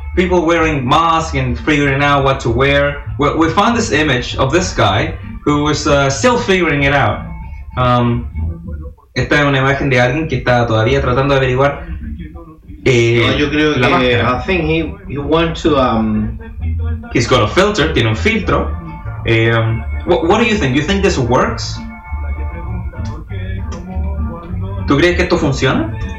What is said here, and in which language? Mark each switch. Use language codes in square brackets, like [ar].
[en] people wearing masks and figuring out what to wear. We found this image of this guy who was still figuring it out. [es] Esta es una imagen de alguien que está todavía tratando de averiguar. Yo creo que, [en] I think he want to. He's got a filter. [es] Tiene un filtro. [en] What do you think? You think this works? [es] ¿Tú crees que esto funciona?